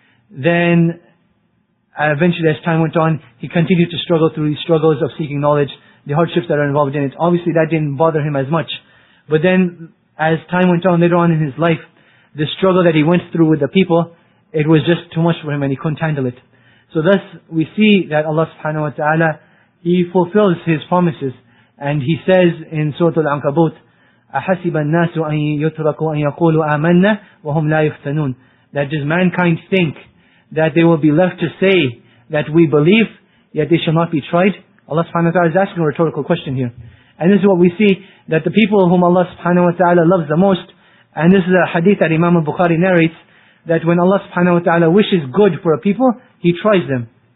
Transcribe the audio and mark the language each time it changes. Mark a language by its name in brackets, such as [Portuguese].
[English] Then, eventually as time went on, he continued to struggle through these struggles of seeking knowledge, the hardships that are involved in it. Obviously that didn't bother him as much. But then, as time went on later on in his life, the struggle that he went through with the people, it was just too much for him and he couldn't handle it. So thus, we see that Allah subhanahu wa ta'ala, He fulfills His promises. And He says in Surah Al-Ankabut, [Arabic] أَحَسِبَ النَّاسُ أَن يُتْرَكُوا أَن يَقُولُوا آمَنَّا وَهُمْ لَا يُفْتَنُونَ. [English] That does mankind think that they will be left to say that we believe, yet they shall not be tried? Allah subhanahu wa ta'ala is asking a rhetorical question here. And this is what we see, that the people whom Allah subhanahu wa ta'ala loves the most, and this is a hadith that Imam al-Bukhari narrates, that when Allah subhanahu wa ta'ala wishes good for a people, He tries them.